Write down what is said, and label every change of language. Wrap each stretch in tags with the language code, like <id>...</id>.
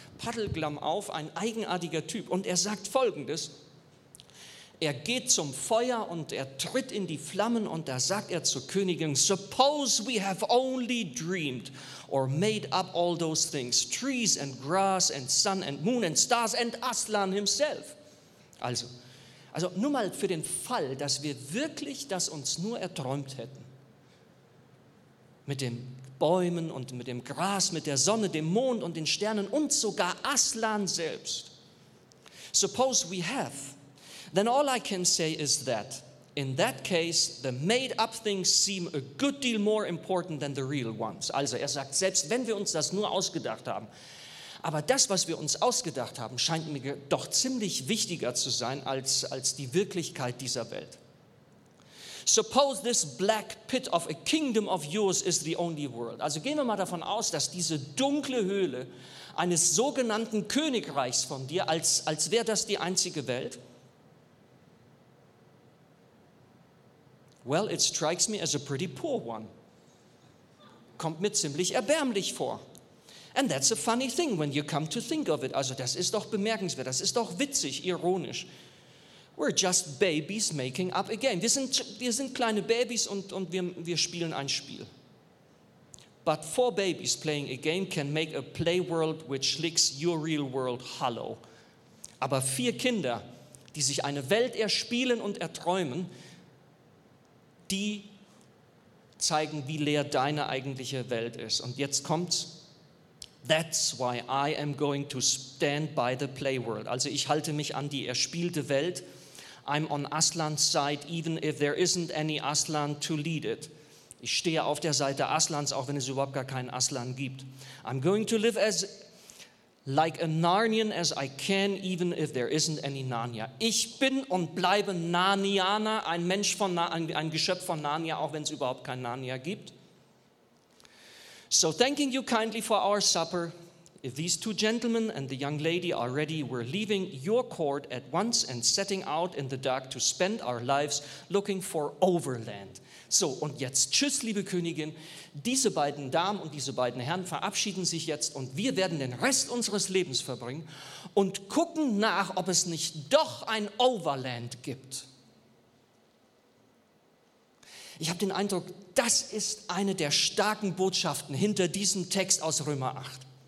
<de>Paddelglamm auf, ein eigenartiger Typ. Und er sagt Folgendes: Er geht zum Feuer und er tritt in die Flammen und da sagt er zur Königin:</de> <en>Suppose we have only dreamed or made up all those things, trees and grass and sun and moon and stars and Aslan himself.</en> <de>Also nur mal für den Fall, dass wir wirklich das uns nur erträumt hätten. Mit den Bäumen und mit dem Gras, mit der Sonne, dem Mond und den Sternen und sogar Aslan selbst.</de> <en>Suppose we have. Then all I can say is that, in that case, the made-up things seem a good deal more important than the real ones.</en> <de>Also er sagt, selbst wenn wir uns das nur ausgedacht haben, aber das, was wir uns ausgedacht haben, scheint mir doch ziemlich wichtiger zu sein als die Wirklichkeit dieser Welt.</de> <en>Suppose this black pit of a kingdom of yours is the only world.</en> <de>Also gehen wir mal davon aus, dass diese dunkle Höhle eines sogenannten Königreichs von dir, als wäre das die einzige Welt.</de> <en>Well, it strikes me as a pretty poor one.</en> <de>Kommt mir ziemlich erbärmlich vor.</de> <en>And that's a funny thing when you come to think of it.</en> <de>Also das ist doch bemerkenswert, das ist doch witzig, ironisch.</de> <en>We're just babies making up a game.</en> <de>Wir sind kleine Babys und wir spielen ein Spiel.</de> <en>But four babies playing a game can make a play world which licks your real world hollow.</en> <de>Aber vier Kinder, die sich eine Welt erspielen und erträumen, die zeigen, wie leer deine eigentliche Welt ist. Und jetzt kommt's.</de> <en>That's why I am going to stand by the play world.</en> <de>Also ich halte mich an die erspielte Welt.</de> <en>I'm on Aslan's side, even if there isn't any Aslan to lead it.</en> <de>Ich stehe auf der Seite Aslans, auch wenn es überhaupt gar keinen Aslan gibt.</de> <en>I'm going to live as like a Narnian as I can, even if there isn't any Narnia.</en> <de>Ich bin und bleibe Narnianer, ein Geschöpf von Narnia, auch wenn es überhaupt kein Narnia gibt.</de> <en>So thanking you kindly for our supper, if these two gentlemen and the young lady are ready, we're leaving your court at once and setting out in the dark to spend our lives looking for overland.</en> <de>So, und jetzt tschüss, liebe Königin. Diese beiden Damen und diese beiden Herren verabschieden sich jetzt und wir werden den Rest unseres Lebens verbringen und gucken nach, ob es nicht doch ein Overland gibt. Ich habe den Eindruck, das ist eine der starken Botschaften hinter diesem Text aus Römer 8.</de>